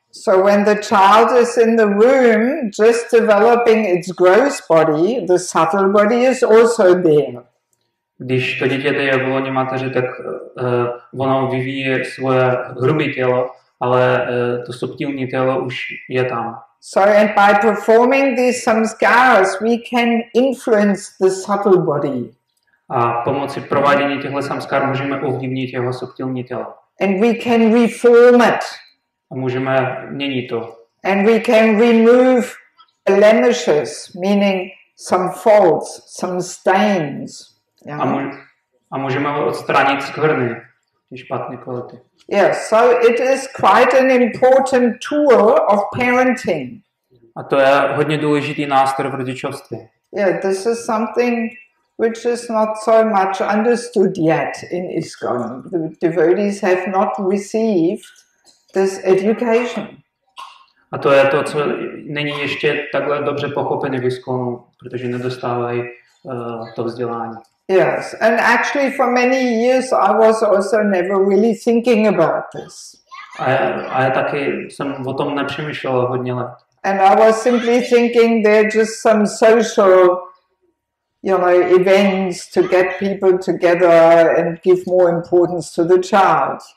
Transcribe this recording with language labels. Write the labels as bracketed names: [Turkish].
[English] So when the child is in the womb, just developing its gross body, the subtle body is also there. [Czech] Když to dítě je v loni mateře, tak ono vyvíje svoje hrubé tělo, ale to subtilní tělo už je tam. [English] So and by performing these samskaras, we can influence the subtle body. [Czech] A pomocí provádění těchto samskar můžeme ovlivnit jeho subtilní tělo. [English] And we can reform it. [Czech] A můžeme měnit to. [English] And we can remove blemishes, meaning some faults, some stains. Yeah. [Czech] A můžeme odstranit skvrny, ty špatné kvality. [English] Yes, so it is quite an important tool of parenting. [Czech] A to je hodně důležitý nástroj v rodičovství. [English] Yeah, this is something which is not so much understood yet in ISKCON. The devotees have not received this education. [Czech] A to je to, co není ještě takhle dobře pochopené v ISKCONu, protože nedostávají to vzdělání. [English] Yes, and actually for many years I was also never really thinking about this. [Czech] A já taky jsem o tom nepřemýšlel hodně let. [English] And I was simply thinking they're just some social, you know, events to get people together and give more importance to the child.